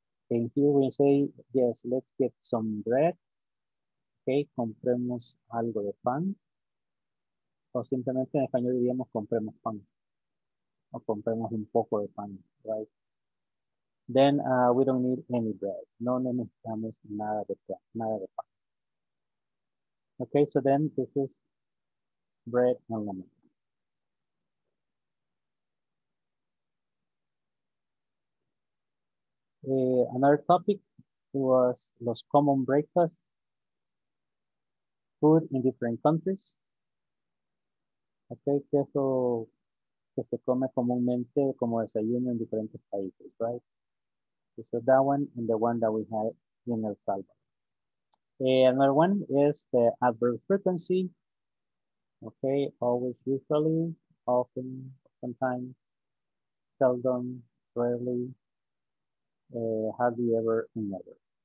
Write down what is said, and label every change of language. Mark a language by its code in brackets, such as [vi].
[en] And here we say, yes, let's get some bread. Okay, [es] compremos algo de pan. o simplemente en español diríamos compremos pan o compremos un poco de pan, right? [en] Then we don't need any bread. [es] No necesitamos nada de pan, nada de pan. [en] Okay, so then this is bread and lemon. Another topic was los common breakfasts, food in different countries. [es] Okay, que eso que se come comúnmente como desayuno en diferentes países, right? [en] So that one and the one that we had in El Salvador. Another one is the adverb frequency. Okay, always, usually, often, sometimes, seldom, rarely, hardly ever, and never.